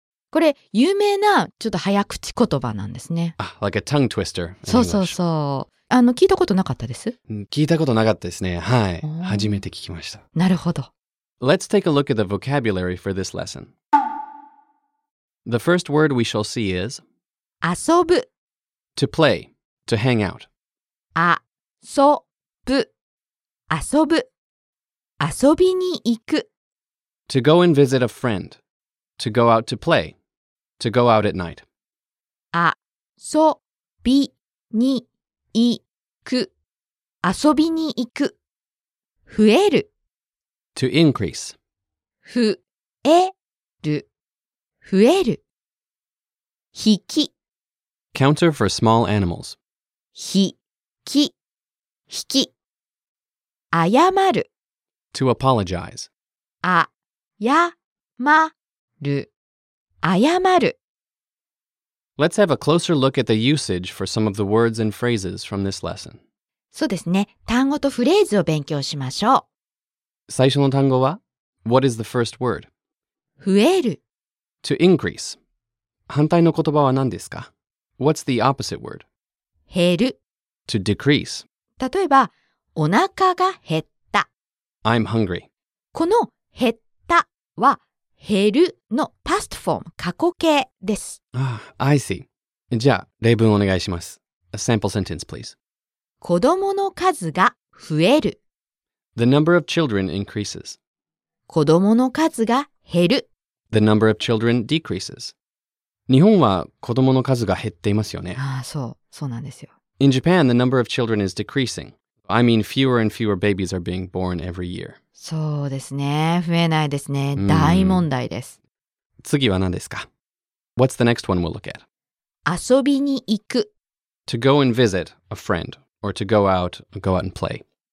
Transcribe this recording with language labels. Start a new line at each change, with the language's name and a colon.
Japanese: これ有名なちょっと早口言葉なんですね。
English: あ、like a tongue twister.
Japanese: そうそうそう。聞いたことなかったです。聞いたことなかったですね。はい。初めて聞きました。なるほど。
English: Let's take a look at the vocabulary for this lesson. The first word we shall see is
Japanese: 遊ぶ。
English: To play, to hang out.
Japanese: 遊ぶ。遊ぶ。遊びに行く。
English: To go and visit a friend. To go out to play. To go out at night.
Japanese: あそびにいく。遊びに行く。増える。
English: To increase.
Japanese: 増える。増える。引き。
English: Counter for small animals.
Japanese: 引き。引き。謝る。
English: To apologize.
Japanese: あやまる、謝る。
English: Let's have a closer look at the usage for some of the words and phrases from this lesson.
Japanese: そうですね。単語とフレーズを勉強しましょう。最初の単語は、
English: What is the first word?
Japanese: 増える。
English: To increase.
Japanese: 反対の言葉は何ですか?
English: What's the opposite word?
Japanese: 減る。
English: To decrease.
Japanese: 例えば、お腹が減った。
English: I'm hungry.
Japanese: この減ったは、減るの
English: past form
Japanese: 過去形です。
English: ああ、I see。
Japanese: じゃあ例文お願いします。
English: A sample sentence, please.
Japanese: 子供の数が増える。
English: The number of children increases.
Japanese: 子供の数が減る。
English: The number of children decreases.
Japanese: 日本は子供の数が減っていますよね。ああ、そう、そうなんですよ。
English: In Japan, the number of children is decreasing. I mean, fewer and fewer babies are being born every year.
Japanese: そうですね。増えないですね。大問題です。次は何ですか?
English: What's the next one we'll look at?
Japanese: 遊びに行く。
English: To go and visit a friend, or to go out and play.